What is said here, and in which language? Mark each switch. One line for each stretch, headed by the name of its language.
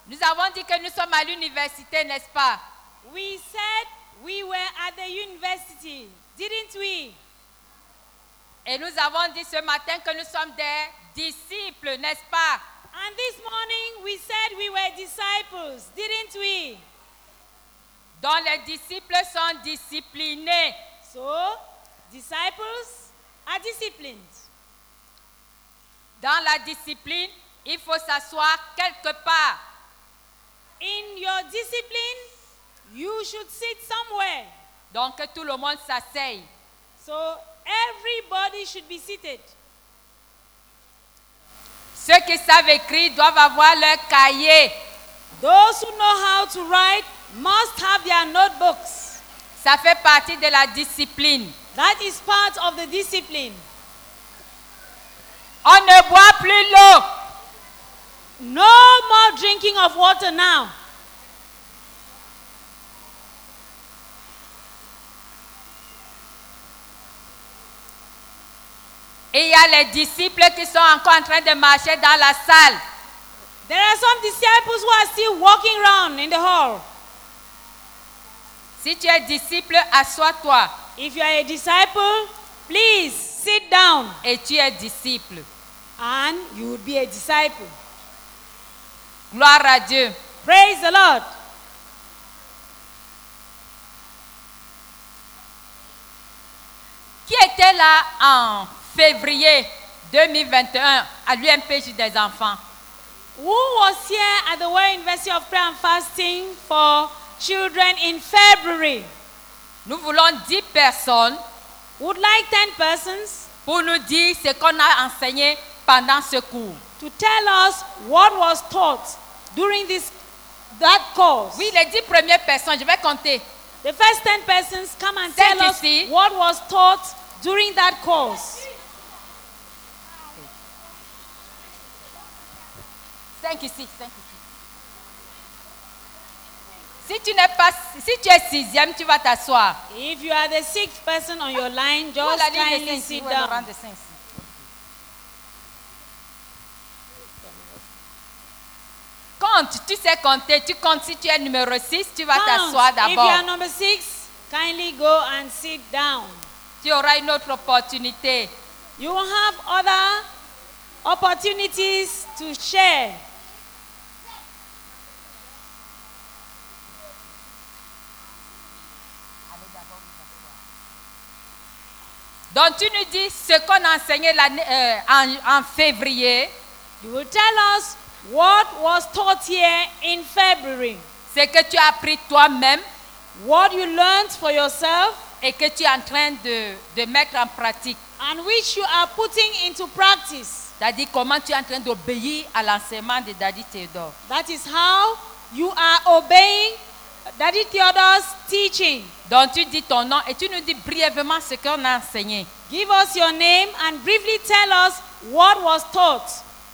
French: avons dit que nous sommes à l'université, n'est-ce pas?
English: We said we were at the university, didn't we?
French: Et nous avons dit ce matin que nous sommes des disciples, n'est-ce pas?
English: And this morning we said we were disciples, didn't we?
French: Donc les disciples sont disciplinés.
English: So, disciples are disciplined.
French: Dans la discipline, il faut s'asseoir quelque part.
English: In your discipline, you should sit somewhere.
French: Donc que tout le monde s'asseye.
English: So, everybody should be seated.
French: Ceux qui savent écrire doivent avoir leur cahier.
English: Those who know how to write must have their notebooks.
French: Ça fait partie de la discipline.
English: That is part of the discipline.
French: On ne boit plus l'eau.
English: No more drinking of water now.
French: Et il y a les disciples qui sont encore en train de marcher dans la salle.
English: There are some disciples who are still walking around in the hall.
French: Si tu es disciple, assois-toi.
English: If you are a disciple, please sit down.
French: Et tu es disciple.
English: And you will be a disciple.
French: Gloire à Dieu.
English: Praise the Lord.
French: Qui était là en février 2021 à l'UMPJ des enfants?
English: Who was here at the World University of Prayer and Fasting for Children in February?
French: Nous voulons 10 personnes.
English: Would like 10 persons
French: pour nous dire ce qu'on a enseigné pendant ce cours.
English: To tell us what was taught during that course.
French: Oui, les 10 premières personnes, je vais compter.
English: The first 10 persons come and tell us what was taught during that course.
French: 5 ici, 5 ici. Si tu n'es pas, si tu es sixième, tu vas t'asseoir.
English: If you are the sixth person on your line, just kindly sit down.
French: Compte, tu sais compter, tu comptes. Si tu es numéro 6, tu vas t'asseoir d'abord.
English: If you are number 6, kindly go and sit down.
French: Tu auras une autre opportunité.
English: You will have other opportunities to share.
French: Donc tu nous dis ce qu'on a enseigné en février.
English: You will tell us what was taught here in February.
French: Ce que tu as appris toi-même.
English: What you learned for yourself.
French: Et que tu es en train de mettre en pratique.
English: And which you are putting into practice.
French: C'est-à-dire comment tu es en train d'obéir à l'enseignement de Daddy Theodore.
English: That is how you are obeying Daddy Theodore's teaching.
French: Donc tu dis ton nom et tu nous dis brièvement ce qu'on a enseigné.
English: Give us your name and briefly tell us what was taught.